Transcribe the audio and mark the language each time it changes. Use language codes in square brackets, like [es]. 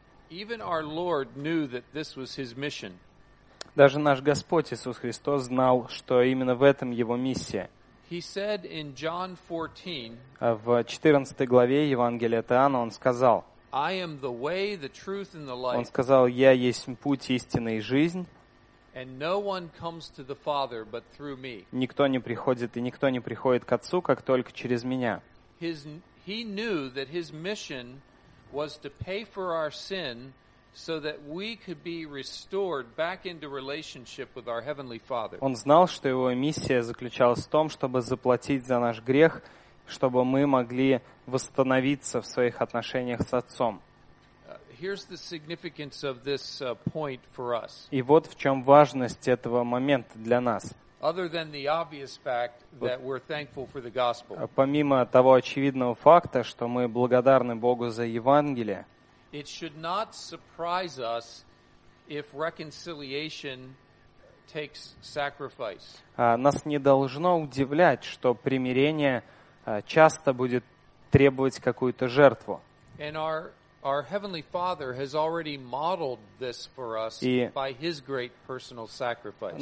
[en] Even our Lord knew that this was His mission. [ru] Даже наш Господь Иисус Христос знал, что именно в этом Его миссия. [en] He said in John 14, [ru] в 14 главе Евангелия от Иоанна Он сказал, [en] I am the way, the truth, and the life. [ru] Он сказал, Я есть путь, истина и жизнь. [en] And no one comes to the Father but through me. [ru] Никто не приходит, и никто не приходит к Отцу, как только через Меня. [en] He knew that His mission was to pay for our sin so that we could be restored back into relationship with our Heavenly Father. [ru] Он знал, что Его миссия заключалась в том, чтобы заплатить за наш грех, чтобы мы могли восстановиться в своих отношениях с Отцом. [en] Here's the significance of this point for us. [ru] И вот в чем важность этого момента для нас. [en] Other than the obvious fact that we're thankful for the gospel. [ru] Помимо того очевидного факта, что мы благодарны Богу за Евангелие. [en] It should not surprise us if reconciliation takes sacrifice. [ru] Нас не должно удивлять, что примирение часто будет требовать какую-то жертву. [en] Our Heavenly Father has already modeled this for us by His great personal sacrifice.